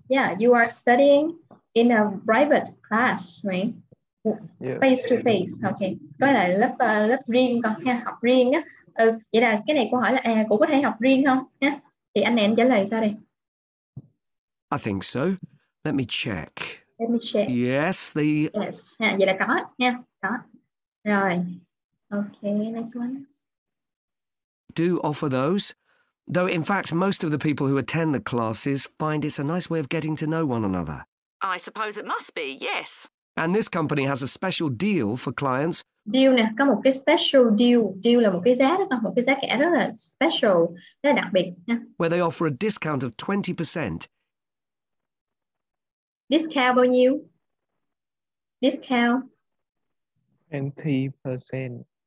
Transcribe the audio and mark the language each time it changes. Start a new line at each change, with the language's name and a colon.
English: Yeah, you are studying in a private class, right? Face to face, okay.
Vietnamese: Có là lớp lớp riêng con nha, học riêng á. Ừ, vậy là cái này cô hỏi là cô có thể học riêng không nha. Thì anh này anh trả lời sao đây?
English: I think so. Let me check. Let me check. Yes, the
Vietnamese: yes. Nha, vậy là có nha, có. Rồi.
English: Okay, next one. Do offer those. Though in fact most of the people who attend the classes find it's a nice way of getting to know one another. I suppose it must be. Yes. And this company has a special deal for clients.
Vietnamese: Deal nè, có một cái special deal. Deal là một cái giá kẻ rất là special, rất là đặc biệt.
English: Where they offer a discount of 20%.
Vietnamese: Discount bao nhiêu? Discount?
English: 20%.